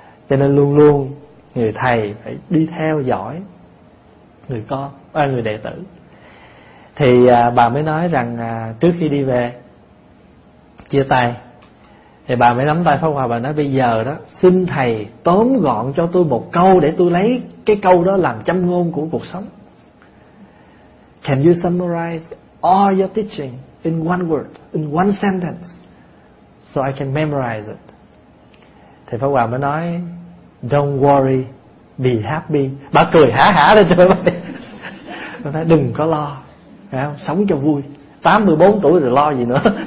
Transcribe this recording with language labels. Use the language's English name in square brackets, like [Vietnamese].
[Vietnamese] Cho nên luôn luôn người thầy phải đi theo dõi người con, người đệ tử. Thì bà mới nói rằng trước khi đi về chia tay, thì bà mới nắm tay Pháp Hòa, bà nói bây giờ đó xin thầy tóm gọn cho tôi một câu để tôi lấy cái câu đó làm châm ngôn của cuộc sống. [English] Can you summarize all your teaching in one word, in one sentence, so I can memorize it? [Vietnamese] Thì Pháp Hòa mới nói [English] don't worry, be happy. [Vietnamese] Bà cười hả hả lên trời, bà nói đừng có lo, sống cho vui, 84 tuổi rồi lo gì nữa.